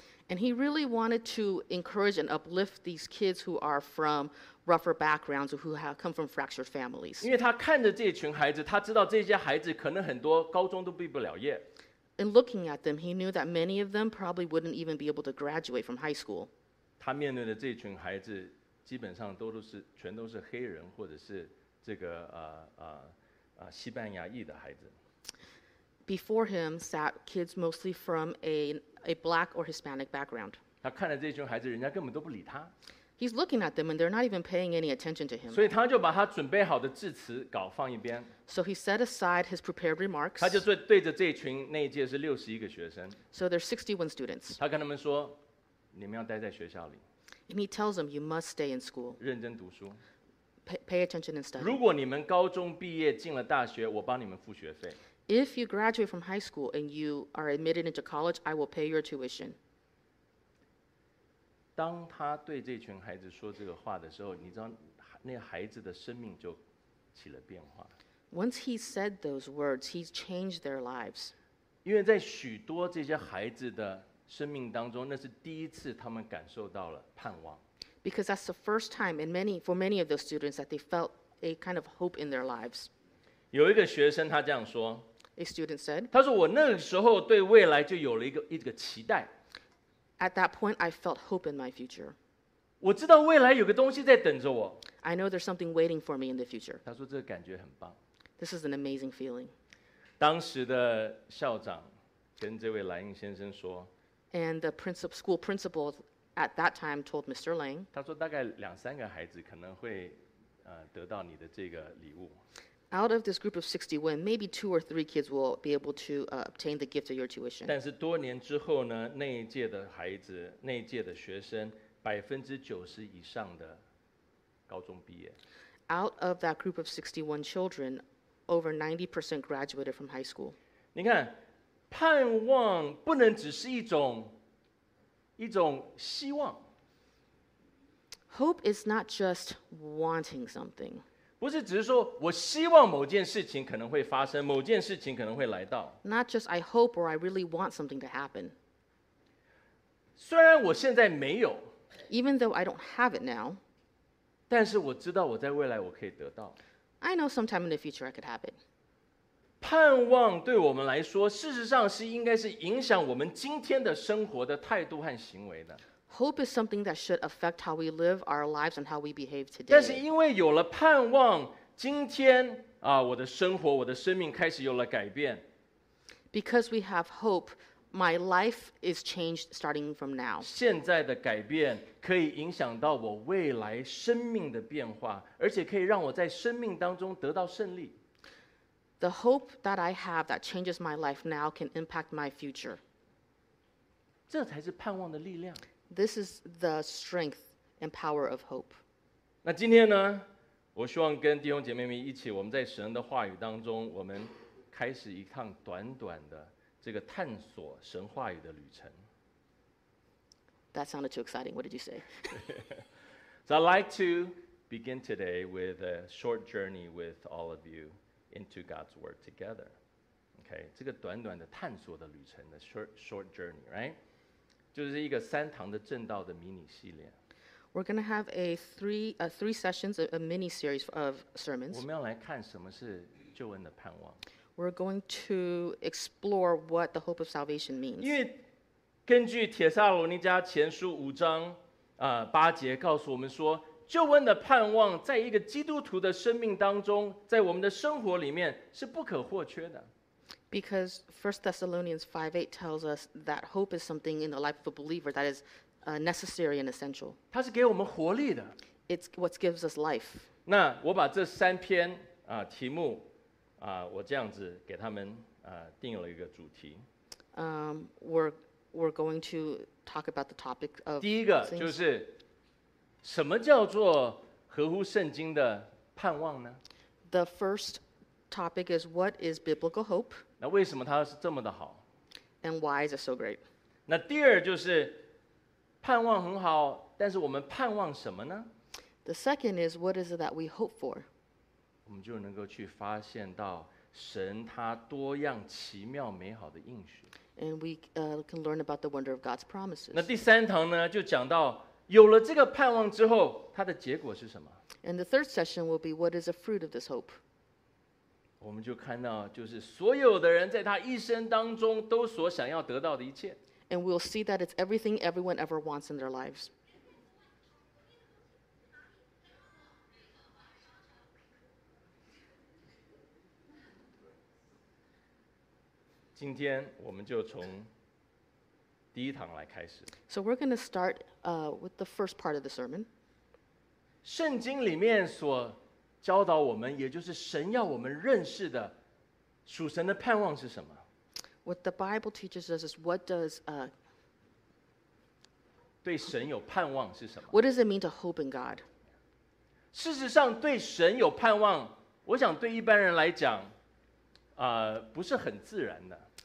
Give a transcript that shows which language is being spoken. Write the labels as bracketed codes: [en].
[en] And he really wanted to encourage and uplift these kids who are from rougher backgrounds, who have come from fractured families. [zh] 因为他看着这群孩子，他知道这些孩子可能很多高中都毕不了业。 [en] And looking at them, he knew that many of them probably wouldn't even be able to graduate from high school. [zh] 他面对的这群孩子基本上全都是黑人或者是这个西班牙裔的孩子。 [en] Before him sat kids mostly from a black or Hispanic background. [zh] 他看着这群孩子，人家根本都不理他。 [en] He's looking at them and they're not even paying any attention to him. [zh] 所以他就把他准备好的致辞稿放一边。 [en] So he set aside his prepared remarks. [zh] 他就是对着这群那一届是61个学生。 [en] So there's 61 students. [zh] 他跟他们说，你们要待在学校里。 [en] And he tells them you must stay in school. [zh] 认真读书。 [en] Pay attention and study. [zh] 如果你们高中毕业进了大学，我帮你们付学费。 [en] If you graduate from high school and you are admitted into college, I will pay your tuition. [zh] 当他对这群孩子说这个话的时候，你知道，那孩子的生命就起了变化。 [en] Once he said those words, he changed their lives. [zh] 因为在许多这些孩子的生命当中，那是第一次他们感受到了盼望。 [en] Because that's the first time in many of those students that they felt a kind of hope in their lives. [zh] 有一个学生他这样说。 [en] A student said, [zh] 他说我那个时候对未来就有了一个期待。 [en] At that point, I felt hope in my future. [zh] 我知道未来有个东西在等着我。 [en] I know there's something waiting for me in the future. [zh] 他说这个感觉很棒。 [en] This is an amazing feeling. [zh] 当时的校长跟这位莱恩先生说。 [en] And the school principal at that time told Mr. Lang. [zh] 他说大概两三个孩子可能会得到你的这个礼物。 [en] Out of this group of 61, maybe two or three kids will be able to obtain the gift of your tuition. [zh] 但是多年之后呢，那一届的孩子，那一届的学生，90%以上的高中毕业。 [en] Out of that group of 61 children, over 90% graduated from high school. [zh] 你看，盼望不能只是一种希望。 [en] Hope is not just wanting something. [zh] 不是只是说我希望某件事情可能会发生，某件事情可能会来到。 [en] Not just I hope or I really want something to happen. [zh] 虽然我现在没有。 [en] Even though I don't have it now. [zh] 但是我知道我在未来我可以得到。 [en] I know sometime in the future I could have it. [zh] 盼望对我们来说，事实上是应该是影响我们今天的生活的态度和行为的。 [en] Hope is something that should affect how we live our lives and how we behave today. [zh] 但是因为有了盼望，今天我的生活，我的生命开始有了改变。 [en] Because we have hope, my life is changed starting from now. [zh] 现在的改变可以影响到我未来生命的变化，而且可以让我在生命当中得到胜利。 [en] The hope that I have that changes my life now can impact my future. [zh] 这才是盼望的力量。 [en] This is the strength and power of hope. [zh] 那今天呢，我希望跟弟兄姐妹们一起，我们在神的话语当中，我们开始一趟短短的这个探索神话语的旅程。 [en] That sounded too exciting. What did you say? So I'd like to begin today with a short journey with all of you into God's Word together. [zh] Okay, 这个短短的探索的旅程的 [en] short journey, right? [zh] 就是一个三堂的正道的迷你系列。 [en] We're going to have three sessions, a mini series of sermons. [zh] 我们要来看什么是救恩的盼望。 [en] We're going to explore what the hope of salvation means. [zh] 因为根据帖撒罗尼迦前书五章八节告诉我们说，救恩的盼望在一个基督徒的生命当中，在我们的生活里面是不可或缺的。 [en] Because 1 Thessalonians 5:8 tells us that hope is something in the life of a believer that is necessary and essential. [zh] 它是给我们活力的。 [en] It's what gives us life. [zh] 那我把这三篇题目我这样子给他们定了一个主题。 [en] We're going to talk about the topic of [zh] 第一个就是什么叫做合乎圣经的盼望呢？ [en] The first topic is what is biblical hope? [zh] 那为什么它是这么的好？ [en] And why is it so great? [zh] 那第二就是盼望很好，但是我们盼望什么呢？ [en] The second is what is it that we hope for? [zh] 我们就能够去发现到神他多样奇妙美好的应许。 [en] And we can learn about the wonder of God's promises. [zh] 那第三堂呢，就讲到有了这个盼望之后，它的结果是什么？ [en] And the third session will be what is the fruit of this hope? [zh] 我们就看到，就是所有的人在他一生当中都所想要得到的一切。 [en] And we'll see that it's everything everyone ever wants in their lives. [zh] 今天我们就从第一堂来开始。 [en] So we're going to start with the first part of the sermon. [zh] 圣经里面所教导我们，也就是神要我们认识的属神的盼望是什么？ [en] What the Bible teaches us is what does [zh] 对神有盼望是什么？ [en] What does it mean to hope in God? [zh] 事实上，对神有盼望，我想对一般人来讲，不是很自然的。